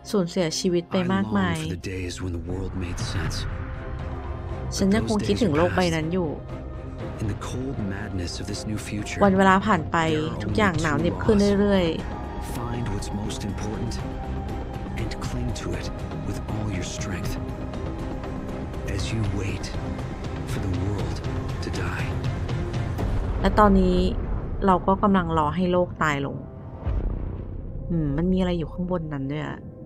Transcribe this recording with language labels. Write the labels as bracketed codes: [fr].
[th] สูญเสียชีวิตไปมากมาย [en] I long for the days when the world made sense. [th] ฉันยังคงคิดถึงโลกใบนั้นอยู่ [en] In the cold madness of this new future. [th] วันเวลาผ่านไปทุกอย่างหนาวเหน็บขึ้นเรื่อยๆ [en] Find what's most important and cling to it. With all your strength, as you wait for the world to die. [th] และตอนนี้เราก็กำลังรอให้โลกตายลง มันมีอะไรอยู่ข้างบนนั้นด้วยอ่ะ